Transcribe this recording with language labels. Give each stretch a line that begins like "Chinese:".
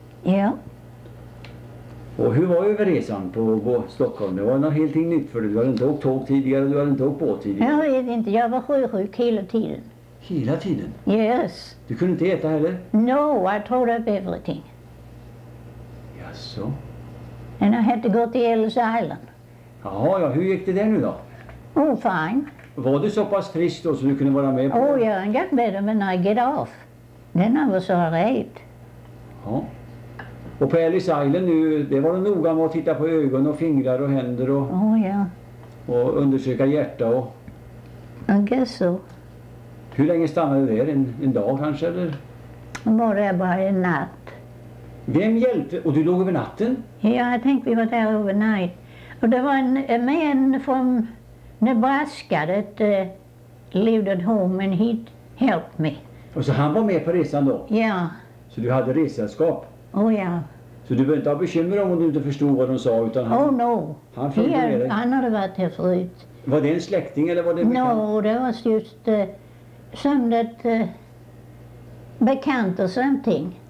Swedish: Ja. Yeah. Och hur var överresan på Stockholm? Det var något helt nytt för dig. Du hade inte åkt tåg tidigare, du hade inte åkt båt tidigare. Jag vet inte, jag var sjösjuk hela tiden. Hela tiden?
English: Yes.
Swedish: Du kunde inte äta heller?
English: No, I threw up everything.
Swedish: Jaså?
English: And I had to go to Ellis Island.
Swedish: Jaha, ja. Hur gick det där nu då?
English: Oh, fine.
Swedish: Var du så pass frisk då så du kunde vara med på?
English: Oh, yeah, I got better when I get off. Then I was all right.
Swedish: Ja. Och på Ellis Island nu, det var det noga med att titta på ögon och fingrar och händer och...
English: Oh, ja. Yeah.
Swedish: Och undersöka hjärta och...
English: I guess so.
Swedish: Hur länge stannade du där? En dag kanske, eller? Var det bara en natt. Vem hjälpte? Och du låg över natten?
English: Yeah, I think we were there overnight.
Swedish: Och det var en man
English: from Nebraska that lived at home and he helped me.
Swedish: Och så han var med på resan då? Ja. Yeah. Så du hade resesällskap?
English: Oh ja. Yeah.
Swedish: Så du behöver inte ha bekymmer om du inte förstod vad de sa utan han...
English: Oh no.
Swedish: Han följde med dig. Han hade varit här förut. Var det en släkting eller var det en bekant? No, det var just sömnet bekant och sömting.